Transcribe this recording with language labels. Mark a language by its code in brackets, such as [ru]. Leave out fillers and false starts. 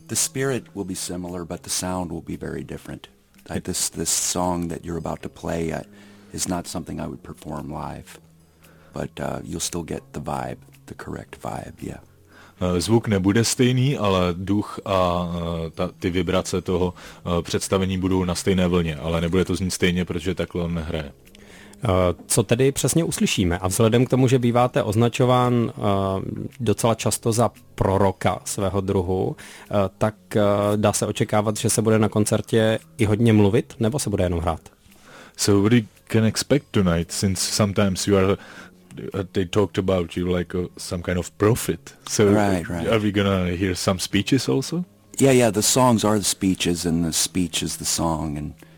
[en] The spirit will be similar, but the sound will be very different. This song that you're about to play is not something I would perform live, but you'll still get the vibe, the correct vibe, yeah. [cs] Zvuk nebude stejný, ale duch a ty vibrace toho představení budou na stejné vlně, ale nebude to znít stejně, protože takhle on nehraje. Co tedy přesně uslyšíme? A vzhledem k tomu, že býváte označován docela často za proroka svého druhu, tak dá se očekávat, že se bude na koncertě i hodně mluvit, nebo se bude jenom hrát? [en] So what you can expect tonight, since sometimes you are... They talked about you like some kind of prophet. So right. Are we gonna hear some speeches also? Yeah. The songs are the speeches, and the speech is the song.